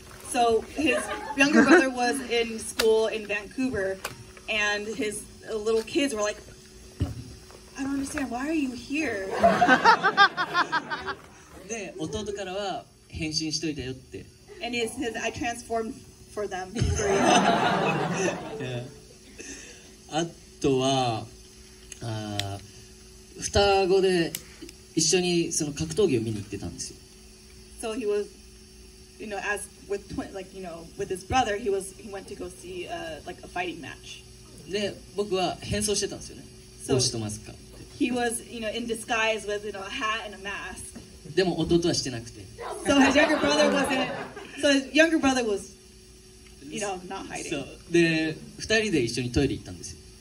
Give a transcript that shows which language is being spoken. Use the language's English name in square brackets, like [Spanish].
[English] So his younger brother was in school in Vancouver, and his little kids were like, I don't understand, why are you here? [Japanese] で、弟からは返信しといたよって。 [English] And he says, I transformed for them. [Japanese] あとは、双子で一緒に格闘技を見に行ってたんですよ。 [English] So he was, you know, as with twin, like, you know, with his brother, he went to go see like a fighting match. [Japanese] で、僕は変装してたんですよね。帽子とマスク。 [English] He was, you know, in disguise with, you know, a hat and a mask. [Japanese] でも弟はしてなくて。 [English] So his younger brother wasn't. So his younger brother was, you know, not hiding. [Japanese] で、二人で一緒にトイレ行ったんですよ。